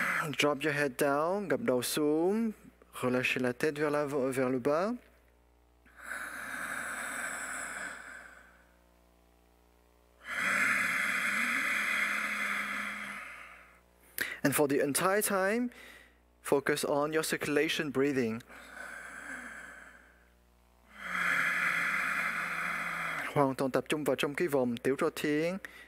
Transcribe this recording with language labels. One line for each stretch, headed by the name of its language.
English: Drop your head down,
Vietnamese: gặp đầu xuống.
French: Relâchez la tête vers l'avant, vers le bas.
English: And for the entire time, focus on your circulation breathing.
Vietnamese: Hoàn toàn tập trung vào trong cái vòng tiểu trợ thiên.